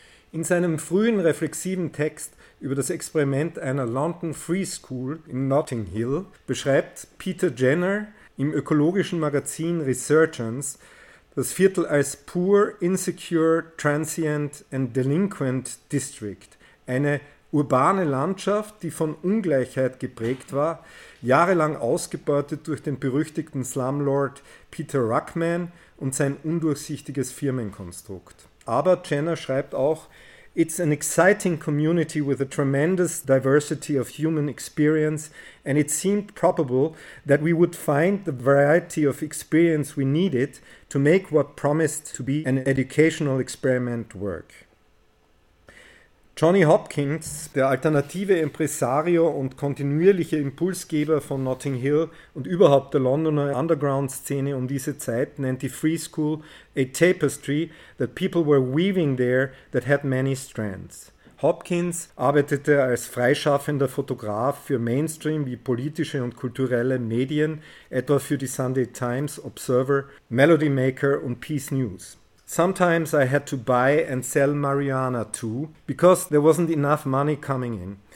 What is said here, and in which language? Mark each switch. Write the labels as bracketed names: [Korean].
[German] In seinem frühen reflexiven Text über das Experiment einer London Free School in Notting Hill beschreibt Peter Jenner im ökologischen Magazin Resurgence das Viertel als [English] poor, insecure, transient and delinquent district, [German] eine urbane Landschaft, die von Ungleichheit geprägt war, jahrelang ausgebeutet durch den berüchtigten Slumlord Peter Ruckman und sein undurchsichtiges Firmenkonstrukt. Aber Jenner schreibt auch: [English] "It's an exciting community with a tremendous diversity of human experience, and it seemed probable that we would find the variety of experience we needed to make what promised to be an educational experiment work." [German] Johnny Hopkins, der alternative Impresario und kontinuierliche Impulsgeber von Notting Hill und überhaupt der Londoner Underground-Szene um diese Zeit, nennt die Free School [English] a tapestry that people were weaving there that had many strands. [German] Hopkins arbeitete als freischaffender Fotograf für Mainstream wie politische und kulturelle Medien, etwa für die Sunday Times, Observer, Melody Maker und Peace News. [English] "Sometimes I had to buy and sell marijuana too, because there wasn't enough money coming in.